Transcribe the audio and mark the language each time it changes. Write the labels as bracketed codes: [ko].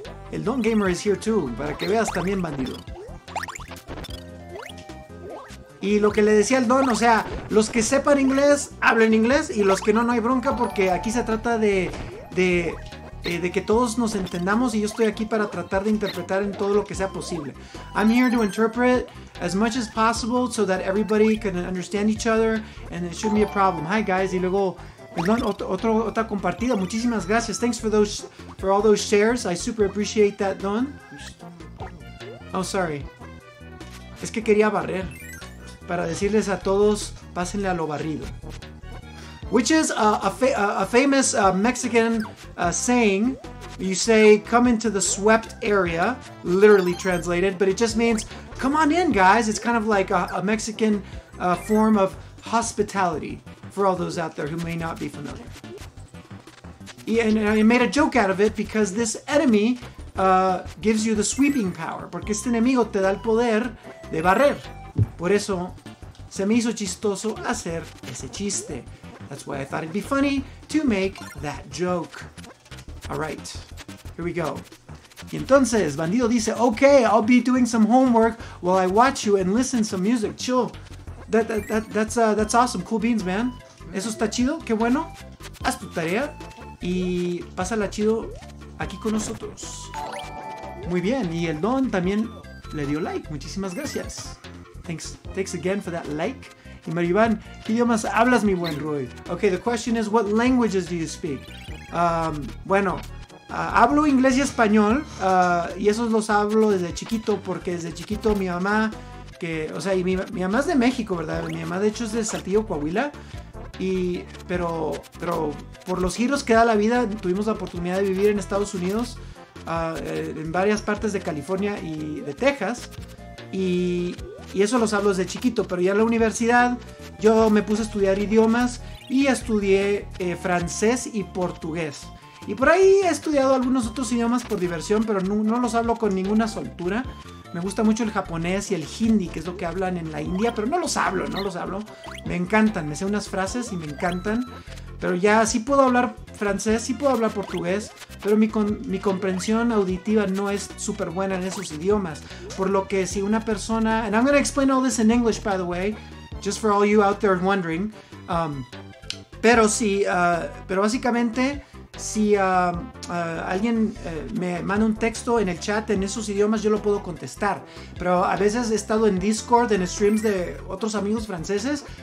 [es] El Don Gamer [en] is here too, [es] para que veas también, bandido. Y lo que le decía el Don, o sea, los que sepan inglés, hablen inglés, y los que no hay bronca, porque aquí se trata de que todos nos entendamos, y yo estoy aquí para tratar de interpretar en todo lo que sea posible. [en] I'm here to interpret as much as possible so that everybody can understand each other, and it shouldn't be a problem. Hi guys, [es] y luego... Otra compartida. Muchísimas gracias. [en] Thanks for those, for all those shares. I super appreciate that, Don. Oh, sorry. [es] Es que quería barrer. Para decirles a todos, pásenle a lo barrido. [en] Which is a famous Mexican saying. You say, come into the swept area. Literally translated. But it just means, come on in, guys. It's kind of like a Mexican form of hospitality. For all those out there who may not be familiar. And I made a joke out of it because this enemy gives you the sweeping power. [es] Porque este enemigo te da el poder de barrer. Por eso se me hizo chistoso hacer ese chiste. [en] That's why I thought it'd be funny to make that joke. Alright, here we go. [es] Y entonces, bandido dice, [en] okay, I'll be doing some homework while I watch you and listen some music. Chill. That's awesome. Cool beans, man. [es] Eso está chido. Qué bueno. Haz tu tarea y pásala chido aquí con nosotros. Muy bien, y el Don también le dio like. Muchísimas gracias. [en] Thanks again for that like. [es] Y Maribán, ¿qué idiomas hablas, mi buen Roy? [en] Okay, the question is, what languages do you speak? [es] Hablo inglés y español, y esos los hablo desde chiquito, porque desde chiquito mi mamá, mi mamá es de México, ¿verdad? Mi mamá, de hecho, es de Saltillo, Coahuila, pero por los giros que da la vida, tuvimos la oportunidad de vivir en Estados Unidos, en varias partes de California y de Texas, y eso los hablo desde chiquito, pero ya en la universidad yo me puse a estudiar idiomas y estudié francés y portugués. Y por ahí he estudiado algunos otros idiomas por diversión, pero no los hablo con ninguna soltura. Me gusta mucho el japonés y el hindi, que es lo que hablan en la India, pero no los hablo. Me encantan, me sé unas frases y me encantan. Pero ya sí puedo hablar francés, sí puedo hablar portugués, pero mi comprensión auditiva no es súper buena en esos idiomas. Por lo que si una persona... [en] And I'm going to explain all this in English, by the way, just for all you out there wondering. [es] Alguien me manda un texto en el chat en esos idiomas, yo lo puedo contestar. Pero a veces he estado en Discord, en streams de otros amigos franceses.